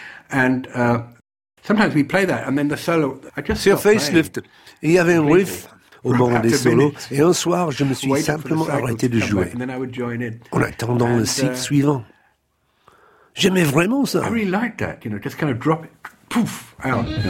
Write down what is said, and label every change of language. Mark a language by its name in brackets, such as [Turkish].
[English] And sometimes we play that, and then the solo. I just Sir Facelift. [French] Il y avait un riff au moment des solos, et un soir, je me suis simplement arrêté de jouer, en attendant le cycle suivant. J'aimais vraiment ça. [English] I really like that, you know, just kind of drop it, poof, out.